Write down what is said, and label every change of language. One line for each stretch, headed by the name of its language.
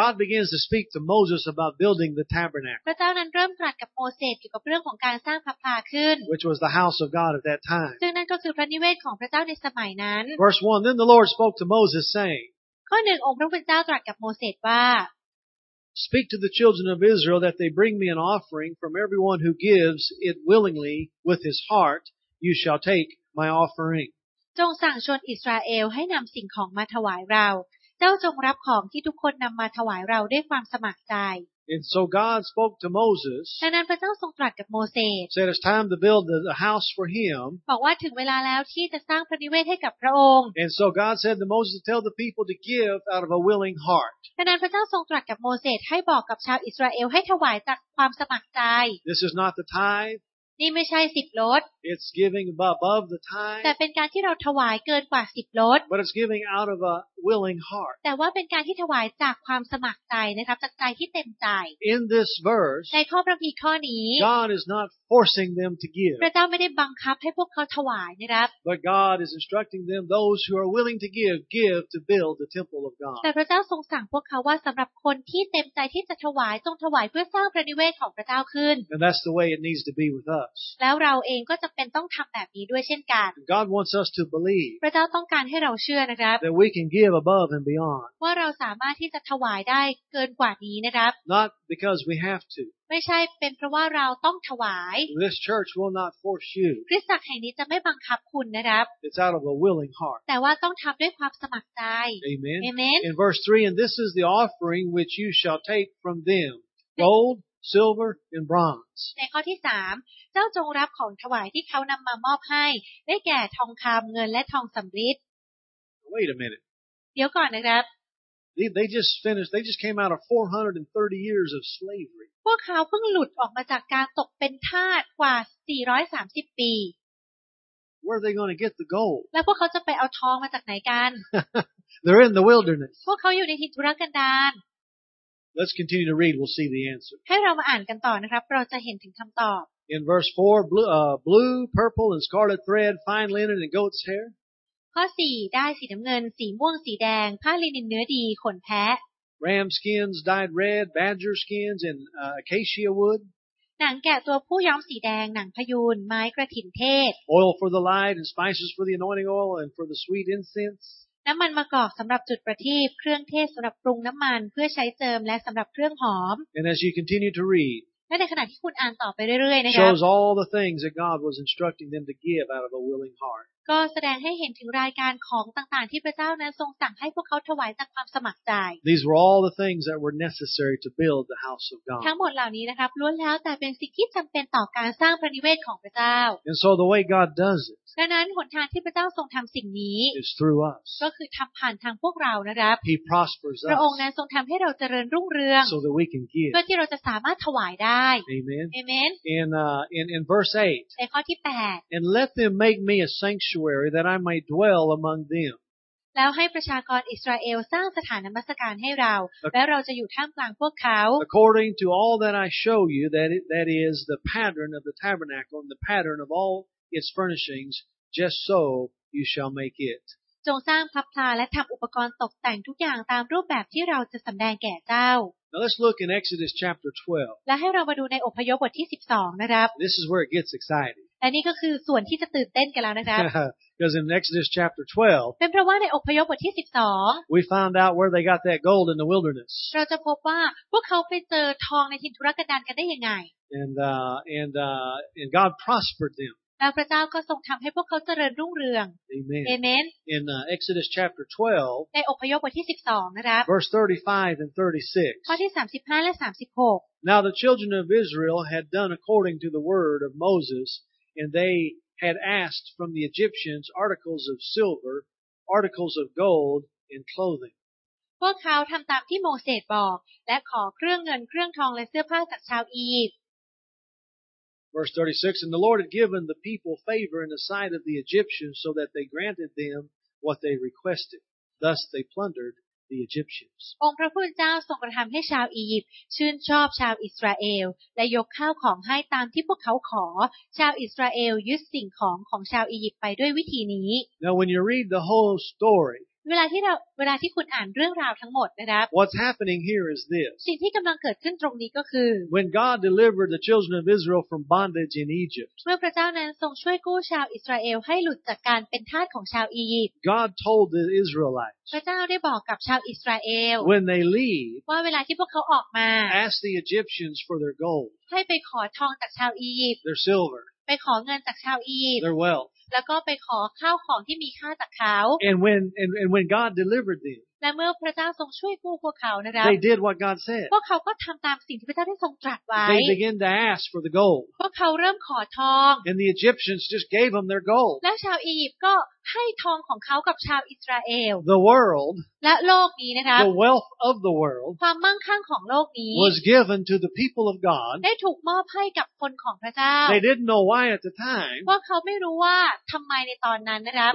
English: God begins to speak to Moses about building the tabernacle
Thai: พระเจ้านั้นเริ่มตรัสกับโมเสสเกี่ยวกับเรื่องของการสร้างพระพลาขึ้น
English: Which was the house of God at that time
Thai: ซึ่งนั่นก็คือพระนิเวศของพระเจ้าในสมัยนั้น
English: Verse 1 Then the Lord spoke to Moses saying
Thai: ข้อ1องค์พระผู้เป็นเจ้าตรัสกับโมเสสว่า
English: Speak to the children of Israel that they bring me an offering from everyone who gives it willingly with his heart. You shall take my offering.
Thai: จงสั่งชนอิสราเอลให้นำสิ่งของมาถวายเราเจ้าจงรับของที่ทุกคนนำมาถวายเราด้วยความสมัครใจ
English: And so God spoke to Moses.
Thai: ดังนั้นพระเจ้าทรงตรัสกับโมเสส
English: Said it's time to build the house for him.
Thai: บอกว่าถึงเวลาแล้วที่จะสร้างพระนิเวศให้กับพระองค์
English: And so God said to Moses to tell the people to give out of a willing heart.
Thai: ดังนั้นพระเจ้าทรงตรัสกับโมเสสให้บอกกับชาวอิสราเอลให้ถวายจากความสมัครใจ
English: This is not the tithe
Thai: นี่ไม่ใช่สิบลด
English: It's giving above the tithe
Thai: แต่เป็นการที่เราถวายเกินกว่าสิบลด
English: But it's giving out of a willing heart
Thai: แต่ว่าเป็นการที่ถวายจากความสมัครใจนะครับจากใจที่เต็มใจ
English: In this verse
Thai: ในข้อพระคัมภีร์ข้อนี้
English: God is not forcing them to give
Thai: พระเจ้าไม่ได้บังคับให้พวกเขาถวายนะครับ
English: But God is instructing them those who are willing to give give to build the temple of God
Thai: แต่พระเจ้าทรงสั่งพวกเขาว่าสำหรับคนที่เต็มใจที่จะถวายต้องถวายเพื่อสร้างพระนิเวศของพระเจ้าขึ้น
English: And that's the way it needs to be with us
Thai: แล้วเราเองก็จะเป็นต้องทำแบบนี้ด้วยเช่นกัน
English: God wants us to believe
Thai: พระเจ้าต้องการให้เราเชื่อนะครับ
English: that we can give above and beyond
Thai: ว่าเราสามารถที่จะถวายได้เกินกว่านี้นะครับ
English: not because we have to
Thai: ไม่ใช่เป็นเพราะว่าเราต้องถวาย
English: this church will not force you
Thai: คริสตจักรแห่งนี้จะไม่บังคับคุณนะครับ
English: it's out of a willing heart
Thai: แต่ว่าต้องทำด้วยความสมัครใจ
English: amen amen in verse 3 and this is the offering which you shall take from them goldSilver and bronze.
Thai: ในข้อที่3เจ้าจงรับของถวายที่เขานำมามอบให้ได้แก่ทองคำเงินและทองสำริด
English: Wait a minute.
Thai: เดี๋ยวก่อนนะครับ
English: They just finished. They just came out of 430 years of slavery.
Thai: พวกเขาเพิ่งหลุดออกมาจากการตกเป็นทาสกว่า430ปี
English: Where are they going to get the gold?
Thai: แล้วพวกเขาจะไปเอาทองมาจากไหนกัน
English: They're in the wilderness.
Thai: พวกเขาอยู่ในถิ่นทุรกันดาร
English: Let's continue to read. We'll see the answer.
Thai: ให้เรามาอ่านกันต่อนะครับเราจะเห็นถึงคำตอบ
English: In verse 4, blue, purple, and scarlet thread, fine linen, and goat's hair.
Thai: ข้อ 4, ได้สีน้ำเงินสีม่วงสีแดงผ้าลินินเนื้อดีขนแพะ
English: Ram skins dyed red, badger skins, and acacia wood.
Thai: หนังแกะตัวผู้ย้อมสีแดงหนังพยูนไม้กระถิ่นเทศ
English: Oil for the light and spices for the anointing oil and for the sweet incense.
Thai: น้ำมันมะกอกสำหรับจุดประทีปเครื่องเทศสำหรับปรุงน้ำมันเพื่อใช้เจิมและสำหรับเครื่องหอม
English: And as you continue to read
Thai: และในขณะที่คุณอ่านต่อไปเรื่อยๆนะครับ
English: Shows all the things that God was instructing them to give out of a willing heart
Thai: ก็แสดงให้เห็นถึงรายการของต่างๆที่พระเจ้านั้นทรงสั่งให้พวกเขาถวายจากความสมัครใจ
English: These were all the things that were necessary to build the house of God
Thai: ทั้งหมดเหล่านี้นะครับล้วนแล้วแต่เป็นสิ่งที่จำเป็นต่อการสร้างพระนิเวศของพระเจ้า
English: And so the way God does it
Thai: ดังนั้นหนทางที่พระเจ้าทรงทำสิ่งนี้
English: It's through us.
Thai: ก็คือทำผ่านทางพวกเรานะครับ
English: He prospers us.
Thai: พระองค์นั้นทรงทำให้เราเจริญรุ่งเรือง
English: so that we can give.
Thai: เพื่อที่เราจะสามารถถวายได้
English: Amen. Amen. In verse 8.
Thai: ในข้อที่ 8.
English: And let them make me a sanctuary that I might dwell among them.
Thai: แล้วให้ประชากรอิสราเอลสร้างสถานนมัสการให้เราแล้วเราจะอยู่ท่ามกลางพวกเขา
English: According to all that I show you that is the pattern of the tabernacle and the pattern of allIts furnishings, just so you shall make it.
Thai: จงสร้างพับพลาและทำอุปกรณ์ตกแต่งทุกอย่างตามรูปแบบที่เราจะสำแดงแก่เจ้า
English: Now let's look in Exodus chapter 12.
Thai: และให้เรามาดูในอพยพบทที่12นะครับ
English: This is where it gets exciting.
Thai: และนี่ก็คือส่วนที่จะตื่นเต้นกันแล้วนะครับ
English: Because in Exodus chapter 12,
Thai: เป็นเพราะว่าในอพยพบทที่12,
English: we found out where they got that gold in the wilderness.
Thai: เราจะพบว่าพวกเขาไปเจอทองในถิ่นทุรกันดารกันได้ยังไง
English: And God prospered them.
Thai: แล้วพระเจ้าก็ทรงทำให้พวกเขาเจริญรุ่งเรือง
English: Amen. Amen. In Exodus chapter 12,
Thai: ในอพยพบทที่12นะครับ
English: Verse 35 and 36.
Thai: ข้อที่35และ36.
English: Now the children of Israel had done according to the word of Moses, and they had asked from the Egyptians articles of silver, articles of gold, and clothing.
Thai: พวกเขาทำตามที่โมเสสบอกและขอเครื่องเงินเครื่องทองและเสื้อผ้าจากชาวอียิปต์
English: Verse 36, and the Lord had given the people favor in the sight of the Egyptians so that they granted them what they requested. Thus they plundered the Egyptians.
Thai: องค์พระผู้เป็นเจ้าทรงกระทำให้ชาวอียิปต์ชื่นชอบชาวอิสราเอลและยกข้าวของให้ตามที่พวกเขาขอชาวอิสราเอลยึดสิ่งของของชาวอียิปต์ไปด้วยวิธีนี้
English: Now when you read the whole story
Thai: เวลาที่คุณอ่านเรื่องราวทั้งหมดนะครับ
English: What's happening here is this
Thai: สิ่งที่กำลังเกิดขึ้นตรงนี้ก็คือ
English: When God delivered the children of Israel from bondage in Egypt
Thai: เมื่อพระเจ้านั้นทรงช่วยกู้ชาวอิสราเอลให้หลุดจากการเป็นทาสของชาวอียิปต์
English: God told the Israelites
Thai: พระเจ้าได้บอกกับชาวอิสราเอล
English: When they leave
Thai: ว่าเวลาที่พวกเขาออกมา
English: Ask the Egyptians for their gold
Thai: ให้ไปขอทองจากชาวอียิปต์
English: Their silver
Thai: ไปขอเงินจากชาวอียิปต์
English: Their wealth
Thai: แล้วก็ไปขอข้าวของที่มีค่าจากเขา
English: and when God delivered them
Thai: และเมื่อพระเจ้าทรงช่วยกู้พวกเขานะครับ
English: they did what God said
Thai: พวกเขาก็ทำตามสิ่งที่พระเจ้าได้ทรงตรัสไว้
English: they began to ask for the gold
Thai: พวกเขาเริ่มขอทอง
English: and the Egyptians just gave them their gold
Thai: และชาวอียิปต์ก็ให้ทองของเขากับชาวอิสราเอล
English: the world
Thai: และโลกนี้นะครับ
English: the wealth of the world
Thai: ความมั่งคั่งของโลกนี้
English: was given to the people of God
Thai: ได้ถูกมอบให้กับคนของพระเจ้า
English: they didn't know why at the time
Thai: พวกเขาไม่รู้ว่าทำไมในตอนนั้นนะครับ